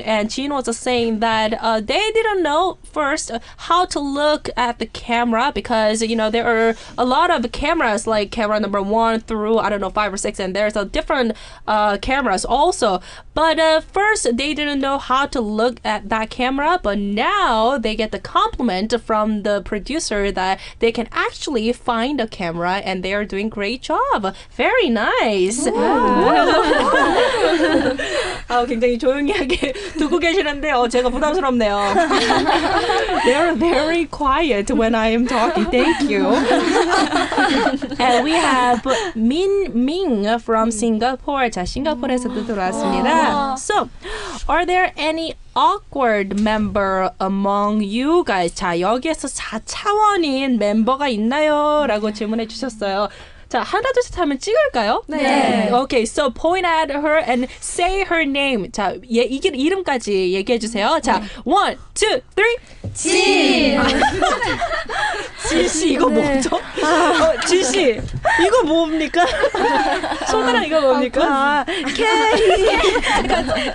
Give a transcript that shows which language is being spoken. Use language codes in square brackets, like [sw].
[en] And Jean was saying that they didn't know first how to look at the camera because, you know, there are a lot of cameras, like camera number one through, I don't know, five or six, and there's a different cameras also. But first, they didn't know how to look at that camera, but now they get the compliment from the producer that they can actually find a camera and they are doing great job. Very nice. Wow. [ko] 굉장히 조용히 듣고 계시는데 제가 부담스럽네요. [en] They're very quiet when I am talking. Thank you. And we have Min Ming from Singapore. [ko] 자, 싱가포르에서도 들어왔습니다. [en] So, are there any awkward member among you guys? [ko] 자, 여기에서 4차원인 멤버가 있나요? 라고 질문해 주셨어요. 자, 하나, 둘, 셋 하면 찍을까요? 네. 네. [en] Okay, so point at her and say her name. [ko] 자, 예, 이게 이름까지 얘기해 주세요. 자, 네. [en] one, two, three. [ko] 진! 진씨, 이거 뭐죠? 진씨, 이거 뭡니까? 손가락 이거 뭡니까? 케이!